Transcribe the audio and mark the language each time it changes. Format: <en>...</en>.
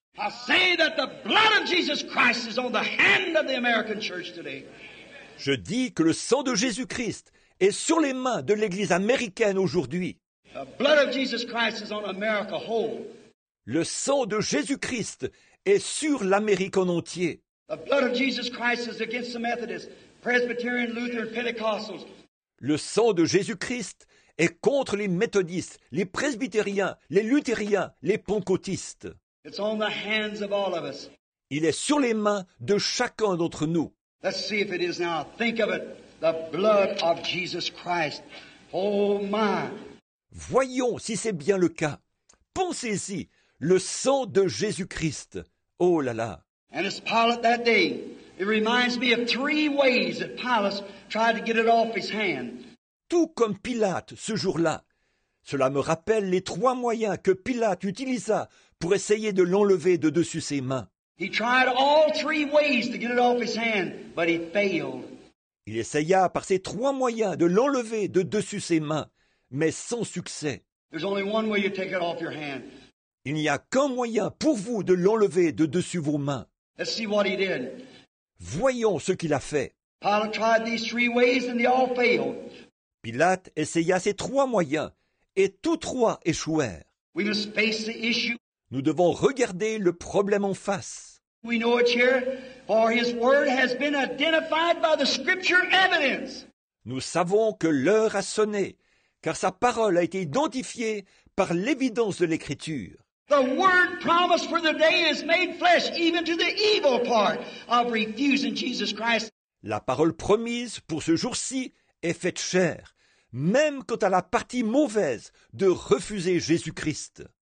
<en>I say that the blood of Jesus Christ is on the hand of the American church today.</en> <fr>Je dis que le sang de Jésus-Christ est sur les mains de l'Église américaine aujourd'hui.</fr> <en>The blood of Jesus Christ is on America whole.</en> <fr>Le sang de Jésus-Christ est sur l'Amérique en entier.</fr> <en>The blood of Jesus Christ is against the Methodists, Presbyterian, Lutheran, Pentecostals.</en> <fr>Le sang de Jésus-Christ est contre les méthodistes, les presbytériens, les luthériens, les pentecôtistes.</fr> <en>It's on the hands of all of us.</en> <fr>Il est sur les mains de chacun d'entre nous.</fr> <en>Let's see if it is now. Think of it. The blood of Jesus Christ. Oh my.</en> <fr>Voyons si c'est bien le cas. Pensez-y. Le sang de Jésus-Christ. Oh là là.</fr> <en>And it's Pilate that day. It reminds me of three ways that Pilate tried to get it off his hand.</en> <fr>Tout comme Pilate ce jour-là. Cela me rappelle les trois moyens que Pilate utilisa pour essayer de l'enlever de dessus ses mains.</fr> <en>He tried all three ways to get it off his hand, but he failed.</en> <fr>Il essaya par ces trois moyens de l'enlever de dessus ses mains, mais sans succès.</fr> <en>There's only one way you take it off your hand.</en> <fr>Il n'y a qu'un moyen pour vous de l'enlever de dessus vos mains.</fr> <en>Let's see what he did.</en> <fr>Voyons ce qu'il a fait.</fr> <en>Pilate tried these three ways and they all failed.</en> <fr>Pilate essaya ces trois moyens et tous trois échouèrent.</fr> <en>We must face the issue.</en> <fr>Nous devons regarder le problème en face.</fr> <en>We know it's here, for his word has been identified by the scripture evidence.</en> <fr>Nous savons que l'heure a sonné, car sa parole a été identifiée par l'évidence de l'écriture.</fr> <en>The word promised for the day is made flesh, even to the evil part of refusing Jesus Christ.</en> <fr>La parole promise pour ce jour-ci est faite chair, même quant à la partie mauvaise de refuser Jésus-Christ.</fr>